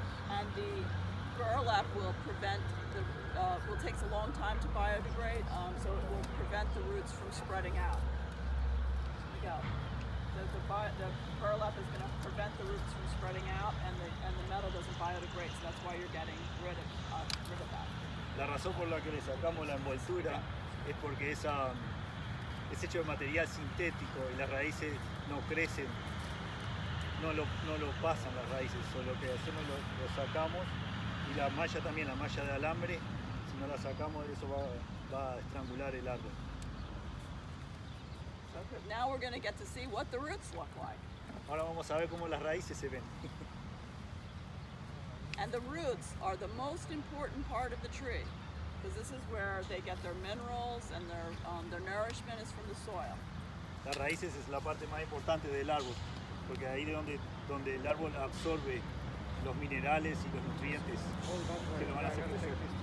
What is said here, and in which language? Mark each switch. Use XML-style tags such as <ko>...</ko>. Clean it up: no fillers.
<en>And the burlap will prevent will take a long time to biodegrade, so it will prevent the roots from spreading out. The burlap is going to prevent the roots from spreading out, and the metal doesn't biodegrade, so that's why you're getting rid of that.</en> <es>La razón por la que le sacamos la envoltura es porque es hecho de material sintético y las raíces no crecen, no lo pasan las raíces, solo lo que hacemos lo sacamos y la malla también, la malla de alambre, si no la sacamos eso va a estrangular el árbol.</es> <en>Now we're going to get to see what the roots look like.</en> <es>Ahora vamos a ver cómo las raíces se ven.</es> <en>And the roots are the most important part of the tree, because this is where they get their minerals and their nourishment is from the soil.</en> <es>Las raíces es la parte más importante del árbol, porque ahí es donde el árbol absorbe los minerales y los nutrientes que lo van a hacer crecer.</es>